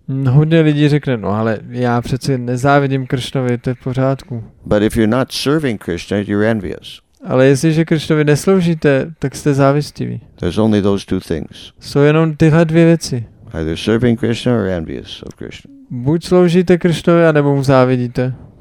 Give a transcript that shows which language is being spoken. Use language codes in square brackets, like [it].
[cs] Hodně lidí řekne, no ale já přeci nezávidím Krishnovi, to je v pořádku. [en] But if you're not serving Krishna, you're envious. [cs] Ale jestliže Krishnovi nesloužíte, tak jste závistiví. [en] There's only those two things. [cs] Jsou jenom tyhle dvě věci. [en] Either serving Krishna or envious of Krishna. [cs] Buď sloužíte Krishnovi, anebo mu závidíte.